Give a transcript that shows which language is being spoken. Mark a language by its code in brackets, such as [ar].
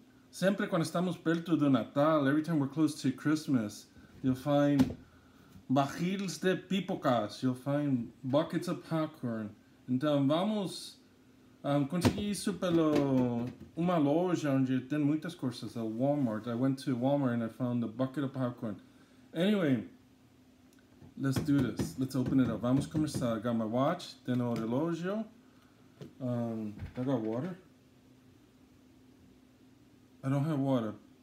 [pt] Sempre quando estamos perto do Natal, [en] every time we're close to Christmas, you'll find [pt] barriles de pipocas, [en] you'll find buckets of popcorn. [pt] Então vamos conseguir isso pelo uma loja onde tem muitas coisas, a Walmart. [en] I went to Walmart and I found a bucket of popcorn. Anyway, let's do this. Let's open it up. [pt] Vamos começar. [en] I got my watch, then [pt] o relógio. [en] I got water. I don't have water.